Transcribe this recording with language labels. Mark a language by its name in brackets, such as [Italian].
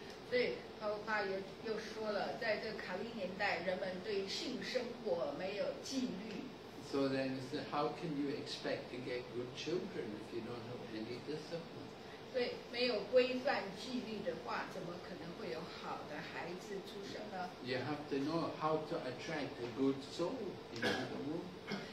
[Chinese] 所以他爸又说了，在这卡利年代，人们对性生活没有纪律。 [English] So then, so how can you expect to get good children if you don't have any discipline? [Chinese] 所以没有规范纪律的话，怎么可能会有好的孩子出生呢？ [English] You have to know how to attract a good soul into the womb.